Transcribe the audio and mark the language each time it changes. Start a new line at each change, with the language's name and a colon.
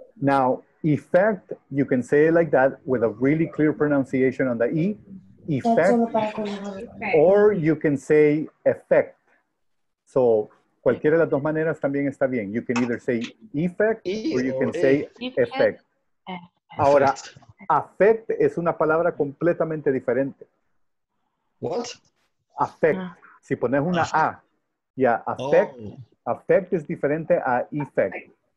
English: Now, effect, you can say it like that with a really clear pronunciation on the E. Effect. Or you can say effect.
Spanish: So, cualquiera de las dos maneras también está bien.
English: You can either say effect or you can say effect.
Spanish: Ahora, affect es una palabra completamente diferente.
English: What? Affect.
Spanish: Si pones una A.
English: Yeah, affect. Oh.
Spanish: Affect es diferente a effect.